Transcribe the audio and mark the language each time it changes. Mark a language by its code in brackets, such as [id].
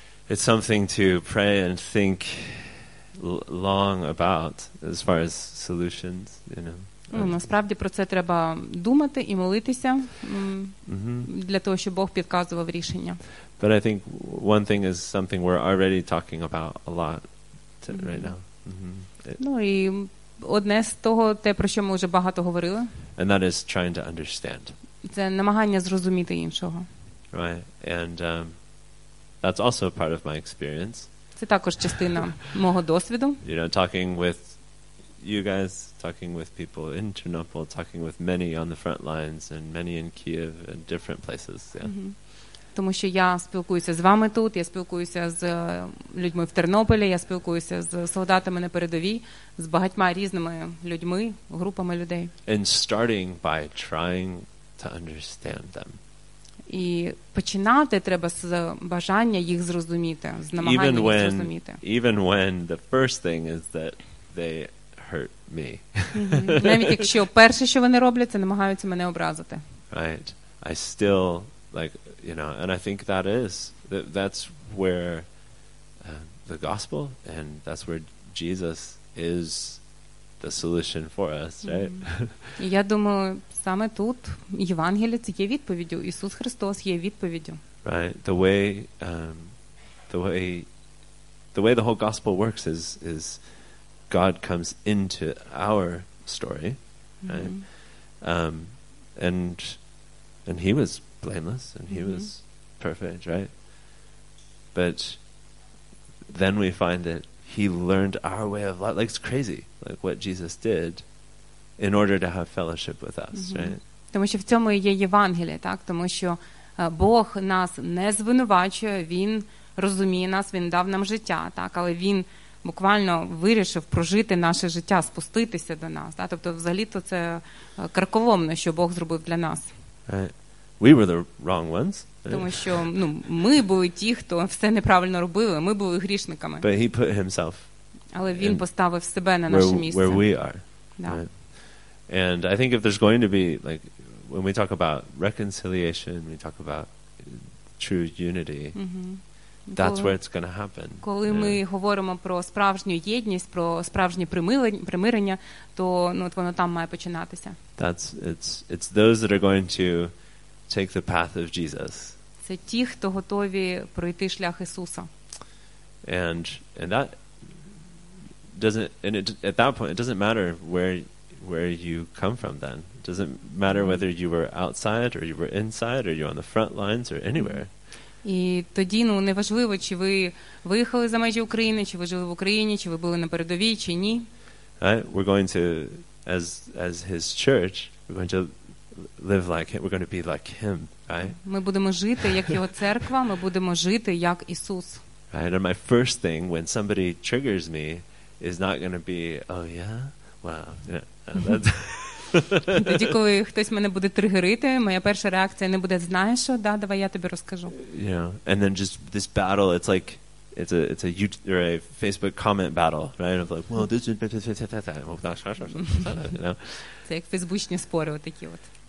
[en] It's something to pray and think long about as far as solutions, [uk] Насправді про це треба думати і молитися для того, щоб Бог підказував рішення. [en] But I think one thing is something we're already talking about a lot right now. [uk] І одне з того, те, про що ми вже багато говорили. [en] And that is trying to understand. [uk] Це намагання зрозуміти іншого. [en] Right. And that's also part of my experience. [uk] Це також частина мого досвіду. [en] You know, talking with you guys, talking with people in Chernobyl, talking with many on the front lines and many in Kyiv and different places. Yeah. Mm-hmm. [uk] Тому що я спілкуюся з вами тут, я спілкуюся з людьми в Тернополі, я спілкуюся з солдатами на передовій, з багатьма різними людьми, групами людей. [en] And starting by trying to understand them. [uk] І починати треба з бажання їх зрозуміти, з намагання [en] even [uk] їх [en] when, [uk] зрозуміти. [en] Even when the first thing is that they hurt me. [uk] Навіть якщо перше, що вони роблять, це намагаються мене образити. [en] Right. I still like, and I think that is that's where the gospel and that's where Jesus is the solution for us, right? [uk] Я думаю, саме тут Євангеліє це є відповіддю. Ісус Христос є відповіддю. [en] Right. The way the whole gospel works is God comes into our story, and he was blameless and he was perfect, right? But then we find that he learned our way of life. Like, it's crazy, like what Jesus did in order to have fellowship with us, right? [uk] Тому що в цьому є Євангеліє, так? Тому що Бог нас не звинувачує, він розуміє нас, він дав нам життя, так? Але він буквально вирішив прожити наше життя, спуститися до нас, так? Тобто взагалі-то це карколомно, що Бог зробив для нас. [en] Right. We were the wrong ones. [uk] Тому що, ми були ті, хто все неправильно робили, ми були грішниками. [en] But he put himself. [uk] Але він поставив себе на наше місце. [en] Where we are. Да. And I think if there's going to be like when we talk about reconciliation, we talk about true unity. That's where it's going to happen. [uk] Коли ми говоримо про справжню єдність, про справжнє примирення, то ну от воно там має починатися. [en] That's it's those that are going to take the path of Jesus. [uk] Це ті, хто готові пройти шлях Ісуса. [en] And that doesn't, and it, at that point it doesn't matter where you come from then. It doesn't matter whether you were outside or you were inside or you're on the front lines or anywhere. [uk] І тоді, ну, неважливо, чи ви виїхали за межі України, чи ви жили в Україні, чи ви були на передовій, чи ні. [en] Right? We're going to, as his church, we're going to live like him, we're going to be like him, right? [uk] Ми будемо жити, як його церква, ми будемо жити, як Ісус. [en] Right? And my first thing, when somebody triggers me, is not going to be, oh yeah, wow, yeah, that's... [uk] Тоді, коли хтось мене буде тригерити, моя перша реакція не буде: знаєш що, да, давай я тобі розкажу. [en] Yeah. And then just this battle, it's like it's a YouTube or a Facebook comment battle, right? Of like, well, this is, you know. [uk] Це як фейсбучні спори отакі от.